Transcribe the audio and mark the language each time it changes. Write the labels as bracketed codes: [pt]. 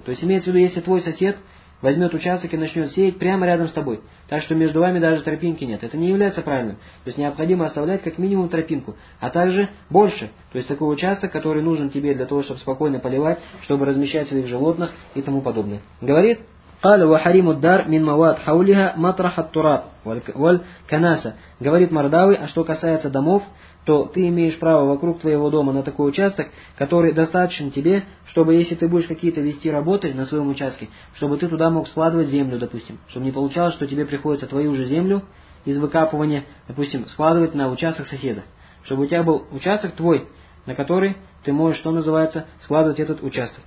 [ru] То есть имеется в виду, если твой сосед возьмет участок и начнет сеять прямо рядом с тобой, так что между вами даже тропинки нет, это не является правильным. То есть необходимо оставлять как минимум тропинку, а также больше. То есть такой участок, который нужен тебе для того, чтобы спокойно поливать, чтобы размещать своих животных и тому подобное. Говорит, [ar] قَالَ وَحَرِيمُ الدَّرْ مِنْ مَوَاتْ حَوْلِهَا مَطْرَحَ التُّرَابْ وَالْكَنَاسَ. [ru] Говорит Мардавы, а что касается домов, то ты имеешь право вокруг твоего дома на такой участок, который достаточен тебе, чтобы если ты будешь какие-то вести работы на своем участке, чтобы ты туда мог складывать землю, допустим, чтобы не получалось, что тебе приходится твою же землю из выкапывания, допустим, складывать на участок соседа, чтобы у тебя был участок твой, на который ты можешь, что называется, складывать этот участок.